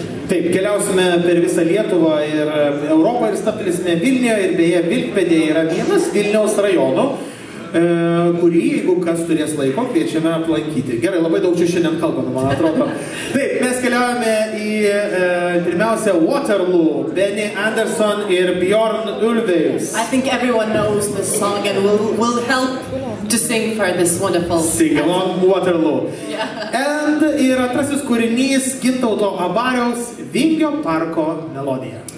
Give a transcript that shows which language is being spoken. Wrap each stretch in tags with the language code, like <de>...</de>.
<lt>Taip, keliausime per visą Lietuvą ir Europą ir staplysime Vilniuje ir beje Vilkpėdė yra vienas Vilniaus rajono. Kurį, jeigu kas turės laiko, kviečiame aplankyti. Gerai, labai daug čia šiandien kalbama, man atrodo. Taip, mes keliaujame į pirmiausia Waterloo, Benny Anderson ir Bjorn Ulvaeus.</lt> <en>I think everyone knows this song and will help to sing for this wonderful sing along Waterloo. Yeah.</en> <lt>And ir antrasis kūrinys Gintauto Abariaus Vingio parko melodija.</lt>